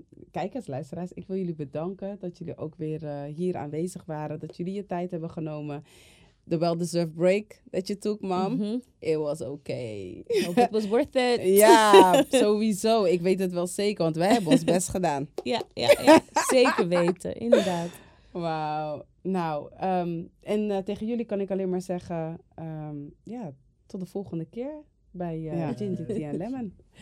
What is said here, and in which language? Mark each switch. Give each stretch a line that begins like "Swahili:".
Dutch: Kijkers, luisteraars, ik wil jullie bedanken dat jullie ook weer hier aanwezig waren. Dat jullie je tijd hebben genomen.
English: The well-deserved break that you took, mom. Mm-hmm. It was okay. Hope it was worth it.
Dutch: Ja, sowieso. Ik weet het wel zeker, want wij hebben ons best gedaan. Ja. Zeker weten, inderdaad. Wauw. Nou, tegen jullie kan ik alleen maar zeggen, tot de volgende keer bij Ginger Tea & Lemon.